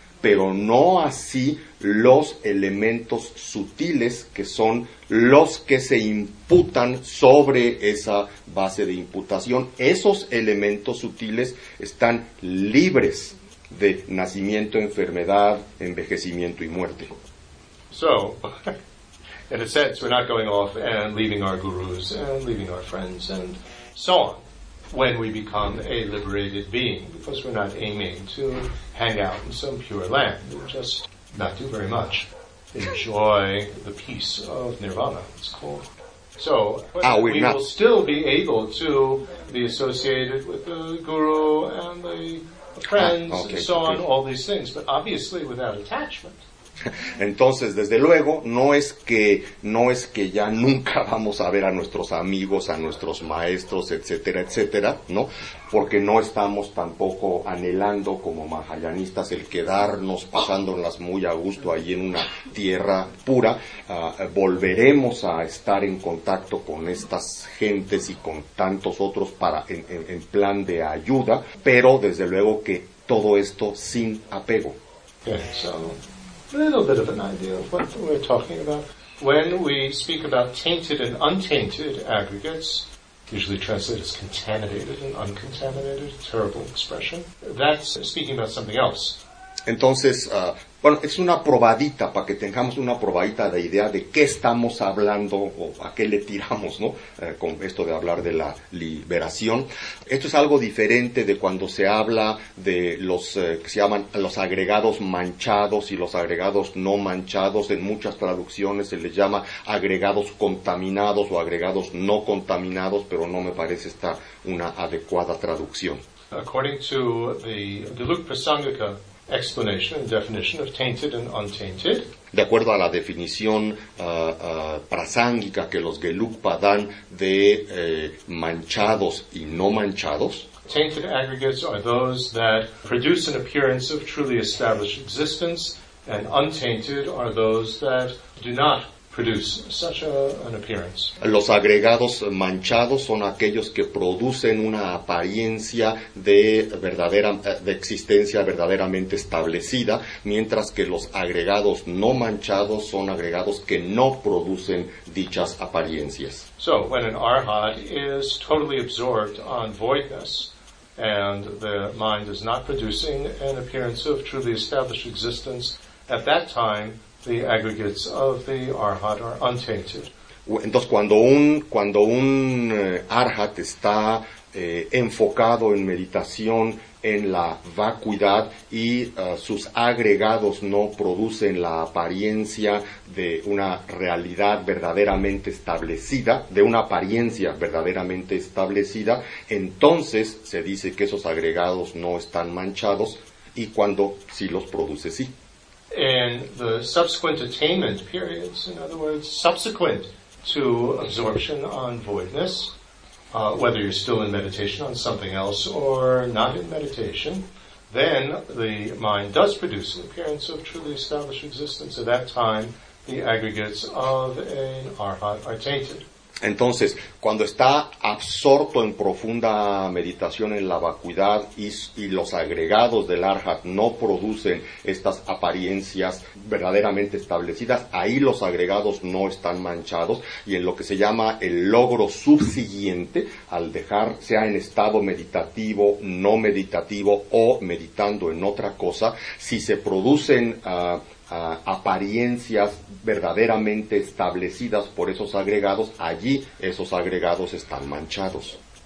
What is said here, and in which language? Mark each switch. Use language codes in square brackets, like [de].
[es] pero no así los elementos sutiles que son los que se imputan sobre esa base de imputación. Esos elementos sutiles están libres de nacimiento, enfermedad, envejecimiento y muerte. [en] So, in a sense, we're not going off and leaving our gurus and leaving our friends and so on when we become a liberated being, because we're not aiming to hang out in some pure land. We're just not do very much. Enjoy the peace of nirvana, it's called. So, will still be able to be associated with the guru and the friends, all these things, but obviously without attachment. [es] Entonces, desde luego, no es que ya nunca vamos a ver a nuestros amigos, a nuestros maestros, etcétera, etcétera, ¿no? Porque no estamos tampoco anhelando como mahayanistas el quedarnos pasándolas muy a gusto ahí en una tierra pura. Volveremos a estar en contacto con estas gentes y con tantos otros en plan de ayuda, pero desde luego que todo esto sin apego. [en] A little bit of an idea of what we're talking about. When we speak about tainted and untainted aggregates, usually translated as contaminated and uncontaminated, terrible expression, that's speaking about something else. [es] Entonces, bueno, es una probadita, para que tengamos una probadita de idea de qué estamos hablando o a qué le tiramos, ¿no? Con esto de hablar de la liberación. Esto es algo diferente de cuando se habla de los que se llaman los agregados manchados y los agregados no manchados. En muchas traducciones se les llama agregados contaminados o agregados no contaminados, pero no me parece esta una adecuada traducción. [en] According to the Luke Prasangika explanation and definition of tainted and untainted. [es] De acuerdo a la definición prasángica que los Gelugpa dan de manchados y no manchados. [en] Tainted aggregates are those that produce an appearance of truly established existence, and untainted are those that do not produce such an appearance. [es] Los agregados manchados son aquellos que producen una apariencia de verdadera de existencia verdaderamente establecida, mientras que los agregados no manchados son agregados que no producen dichas apariencias. [en] So, when an arhat is totally absorbed on voidness and the mind is not producing an appearance of truly established existence, at that time the aggregates of the arhat are untainted. [es] Entonces, cuando un arhat está enfocado en meditación, en la vacuidad, y sus agregados no producen la apariencia de una realidad verdaderamente establecida, de una apariencia verdaderamente establecida, entonces se dice que esos agregados no están manchados, y cuando sí los produce, sí. [en] And the subsequent attainment periods, in other words, subsequent to absorption on voidness, whether you're still in meditation on something else or not in meditation, then the mind does produce an appearance of truly established existence. At that time, the aggregates of an arhat are tainted. [es] Entonces, cuando está absorto en profunda meditación en la vacuidad y los agregados del arhat no producen estas apariencias verdaderamente establecidas, ahí los agregados no están manchados, y en lo que se llama el logro subsiguiente, al dejar, sea en estado meditativo, no meditativo o meditando en otra cosa, si se producen apariencias verdaderamente establecidas por esos agregados, allí esos agregados están manchados.